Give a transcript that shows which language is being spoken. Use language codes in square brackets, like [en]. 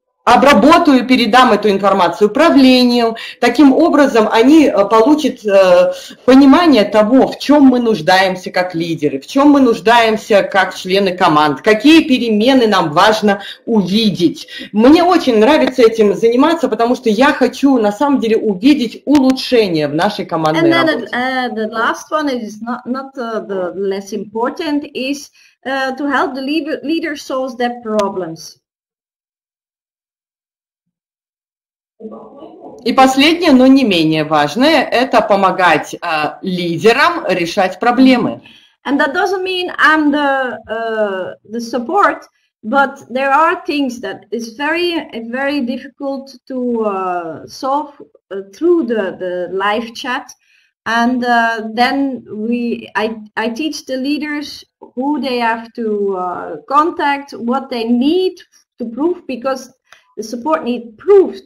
[ru] Обработаю, передам эту информацию управлению. Таким образом, они получат понимание того, в чем мы нуждаемся как лидеры, в чем мы нуждаемся как члены команд, какие перемены нам важно увидеть. Мне очень нравится этим заниматься, потому что я хочу на самом деле увидеть улучшение в нашей командной работе. [en] And then the last one is not the less important is to help the leader solve their problems. [ru] И последнее, но не менее важное, это помогать лидерам решать проблемы. [en] And that doesn't mean I'm the support, but there are things that is very very difficult to solve through the live chat, and then I teach the leaders who they have to contact, what they need to prove, because the support need proof.